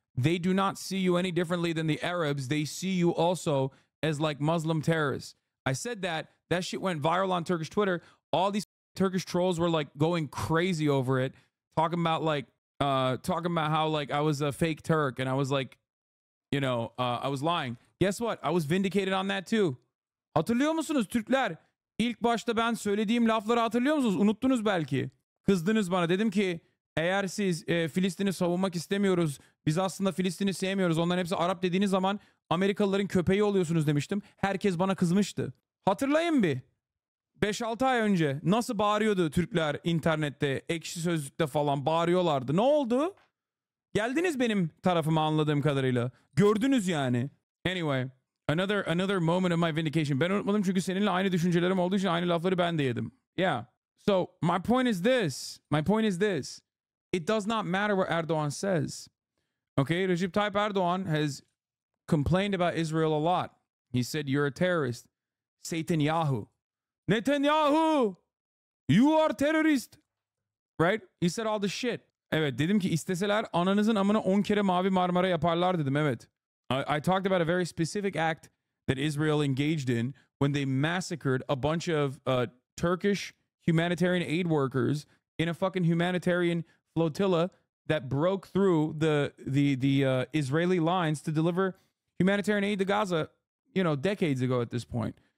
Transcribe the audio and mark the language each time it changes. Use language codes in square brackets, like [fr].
[en] They do not see you any differently than the Arabs. They see you also as like Muslim terrorists. I said that. That shit went viral on Turkish Twitter. All these Turkish trolls were like going crazy over it, talking about how like I was a fake Turk and I was like, you know, I was lying. Guess what? I was vindicated on that too. [tr] Hatırlıyor musunuz Türkler? İlk başta ben söylediğim lafları hatırlıyor musunuz? Unuttunuz belki. Kızdınız bana. Dedim ki eğer siz Filistin'i savunmak istemiyoruz, biz aslında Filistin'i sevmiyoruz, onların hepsi Arap dediğiniz zaman Amerikalıların köpeği oluyorsunuz demiştim. Herkes bana kızmıştı. Hatırlayın bir. 5-6 ay önce nasıl bağırıyordu Türkler internette, ekşi sözlükte falan bağırıyorlardı. Ne oldu? Geldiniz benim tarafıma anladığım kadarıyla. Gördünüz yani. [en] Anyway. Another moment of my vindication. [tr] Ben unutmadım çünkü seninle aynı düşüncelerim olduğu için aynı lafları ben de yedim. [en] Yeah. So, my point is this. It does not matter what Erdoğan says. Okay, Recep Tayyip Erdoğan has complained about Israel a lot. He said, you're a terrorist. Netanyahu! You are terrorist! Right? He said all the shit. [tr] Evet, dedim ki isteseler ananızın amına 10 kere mavi marmara yaparlar dedim, evet. [en] I talked about a very specific act that Israel engaged in when they massacred a bunch of Turkish humanitarian aid workers in a fucking humanitarian flotilla that broke through the Israeli lines to deliver humanitarian aid to Gaza, you know, decades ago at this point.